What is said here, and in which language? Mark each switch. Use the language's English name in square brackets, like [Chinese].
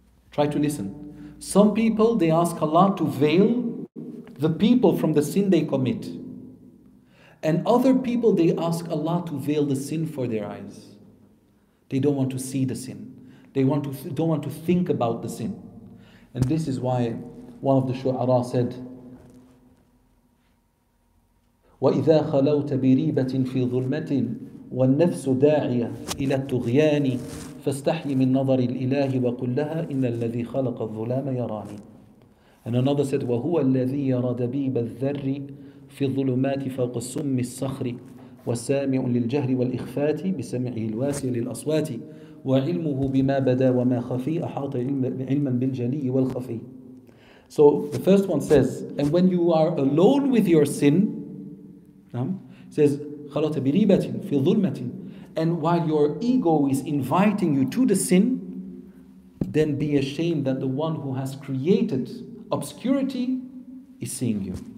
[English] Try to listen. Some people, they ask Allah to veil the people from the sin they commit. And other people, they ask Allah to veil the sin for their eyes. They don't want to see the sin. They want to don't want to think about the sin. And this is why one of the shu'ara said, [Arabic] وَإِذَا خَلَوْتَ بِرِيبَةٍ فِي ظُلْمَةٍ وَالنَّفْسُ دَاعِيَةٍ إِلَى التُّغْيَانِ فَاسْتَحْيِ مِنْ نَظَرِ الْإِلَهِ وَقُلْ لَهَا إِنَّ الَّذِي خَلَقَ الظُّلَامَ يَرَانِي. [English] And another said, [Arabic] وَهُوَ الَّذِي يَرَى دَبِيبَ الذَّرِّ فِي الظُّلُمَاتِ فَوْقَ السُّمِّ الصَّخْرِ وَسَامِعٌ لِلْجَهْرِ وَالْإِخْفَاتِ بِسَمْعِهِ الْوَاسِعِ لِلْأَصْوَاتِ وَعِلْمُهُ بِمَا بَدَا وَمَا خَفِي أَحَاطَ عِلْمًا بِالْجَلِيِّ وَالْخَفِي. [English] So the first one says, and when you are alone with your sin, says [Arabic] خَلَوْتَ بِرِيبَةٍ فِي الظُّلْمَةٍ, [English] and while your ego is inviting you to the sin, then be ashamed that the one who has created obscurity is seeing you.